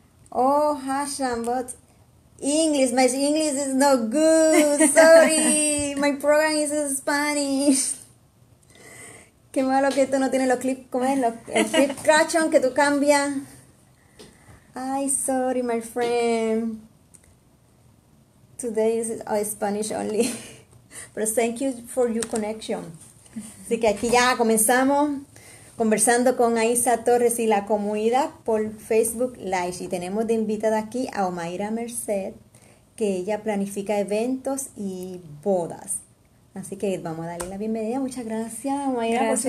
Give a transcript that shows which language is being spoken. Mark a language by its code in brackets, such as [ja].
[en] Oh, Hashan, but English, my English is no good. Sorry, my program is in Spanish. [es] Qué malo que esto no tiene los clips. ¿Cómo es? El clip crachón que tú cambias. [en] Ay, sorry, my friend. Today is Spanish only. But thank you for your connection. [es] Así que aquí ya comenzamos conversando con Aiza Torres y la comunidad por Facebook Live. Y tenemos de invitada aquí a Omaira Merced, que ella planifica eventos y bodas. Así que vamos a darle la bienvenida. Muchas gracias, Omaira, por su